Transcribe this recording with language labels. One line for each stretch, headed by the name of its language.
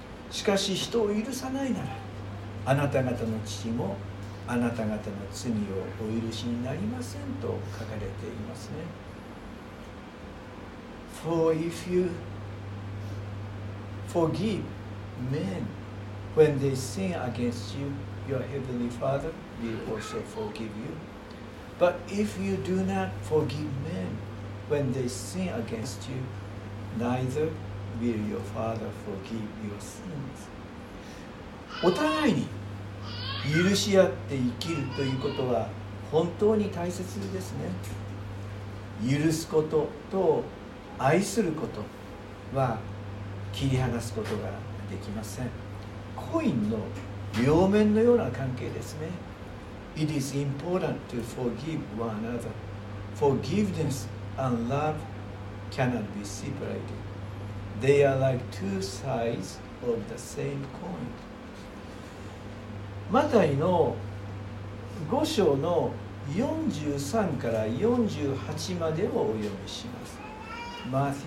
Japanese: しかし人を許さないなら、あなた方の父もあなた方の罪をお許しになりませんと書かれていますね。
English: For if you forgive men when they sin against you, your heavenly Father will also forgive you. But if you do not forgive men when they sin against you, neither will your Father forgive your sins.
Japanese: お互いに許し合って生きるということは本当に大切ですね。許すことと愛することは切り離すことができません。コインの両面のような関係ですね。
English: It is important to forgive one another. Forgiveness and love cannot be separated. They are like two sides of the same coin.
Japanese: マタイの5章の43から48までをお読みします。